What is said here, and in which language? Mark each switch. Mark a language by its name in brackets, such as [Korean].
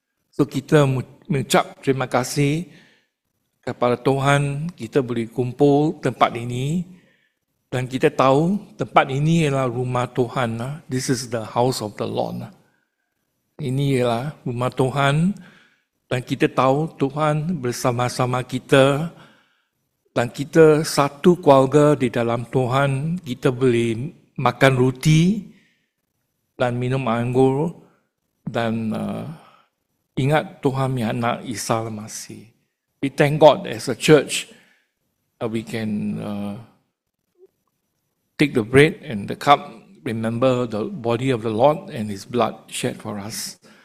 [Malay] So kita mengucap terima kasih kepada Tuhan kita boleh kumpul tempat ini. Dan kita tahu tempat ini ialah rumah Tuhan. [English] This is the house of the Lord. [Malay] Ini ialah rumah Tuhan. Dan kita tahu Tuhan bersama-sama kita. Dan kita satu keluarga di dalam Tuhan. Kita boleh makan roti dan minum anggur. Dan ingat Tuhan yang anak Isa Masih. [English] We thank God as a church we can take the bread and the cup, remember the body of the Lord and His blood shed for us.